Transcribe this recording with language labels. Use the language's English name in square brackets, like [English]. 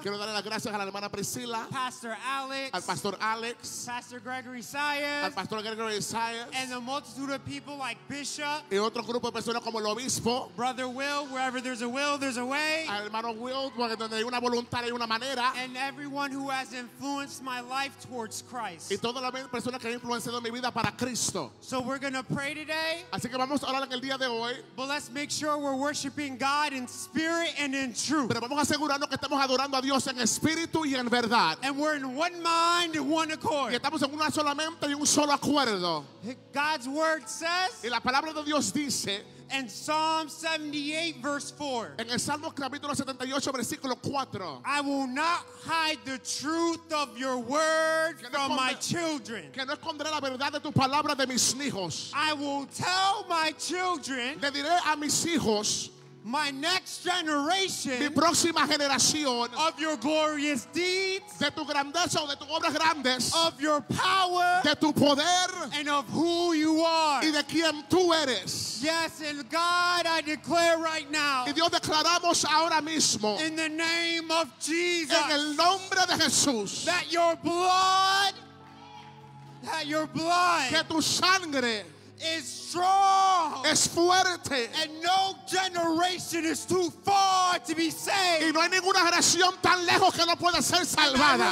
[Spanish] Quiero darle las gracias a la hermana Priscilla. [English] Pastor Alex. [Spanish] Al Pastor Alex. [English] Pastor Gregory Saez. [Spanish] Al Pastor Gregory Saez. [English] And the multitude of people like Bishop. [Spanish] Y otro grupo de personas como el obispo. [English] Brother Will, wherever there's a will, there's a way. [Spanish] Al hermano Will, porque donde hay una voluntad hay una manera. [English] And everyone who has influenced my life towards Christ. [Spanish] Y todas las personas que han influenciado mi vida para Cristo. [English] So we're gonna pray today. [Spanish] Así que vamos a orar en el día de hoy. [English] But let's make sure we're worshiping God in spirit and in truth. [Spanish] Pero vamos a asegurarnos que estamos adorando a Dios en espíritu y en verdad. [English] And we're in one mind and one accord. [Spanish] Y estamos en una sola mente y un solo acuerdo. [English] God's word says. [Spanish] Y la palabra de Dios dice. [English] In Psalm 78, verse 4. [Spanish] En el Salmo capítulo 78, versículo 4. [English] I will not hide the truth of your word from my children. [Spanish] Que no esconderé la verdad de tu palabra de mis hijos. [English] I will tell my children. [Spanish] Le diré a mis hijos. [English] My next generation. [Spanish] Mi próxima generación. [English] Of your glorious deeds. [Spanish] De tu grandeza o de tus obras grandes. [English] Of your power. [Spanish] De tu poder. [English] And of who you are. [Spanish] Y de quién tú eres. [English] Yes, and God, I declare right now. [Spanish] Y Dios, declaramos ahora mismo. [English] In the name of Jesus. [Spanish] En el nombre de Jesús. [English] That your blood. That your blood. [Spanish] Que tu sangre. [English] Is strong. [Spanish] Es fuerte. [English] And no generation is too far to be saved. [Spanish] Y no hay ninguna generación tan lejos que no pueda ser salvada.